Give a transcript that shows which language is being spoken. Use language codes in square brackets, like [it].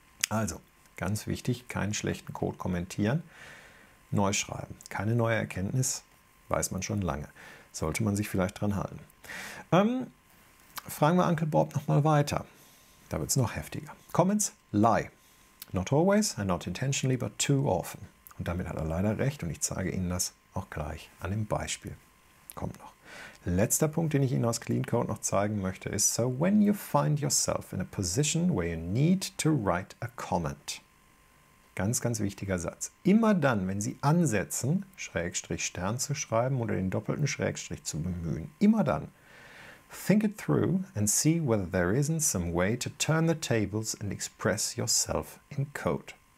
[de] Also, ganz wichtig, keinen schlechten Code kommentieren. Neu schreiben. Keine neue Erkenntnis, weiß man schon lange. Sollte man sich vielleicht dran halten. Fragen wir Uncle Bob nochmal weiter. Da wird es noch heftiger. [en] Comments lie. Not always and not intentionally, but too often. [de] Und damit hat er leider recht und ich zeige Ihnen das auch gleich an dem Beispiel. Kommt noch. Letzter Punkt, den ich Ihnen aus Clean Code noch zeigen möchte, ist: [en] So when you find yourself in a position where you need to write a comment. [de] Ganz, ganz wichtiger Satz. Immer dann, wenn Sie ansetzen, Schrägstrich Stern zu schreiben oder den doppelten Schrägstrich zu bemühen, immer dann, [en] think it through and see whether there isn't some way to turn the tables and express yourself in code.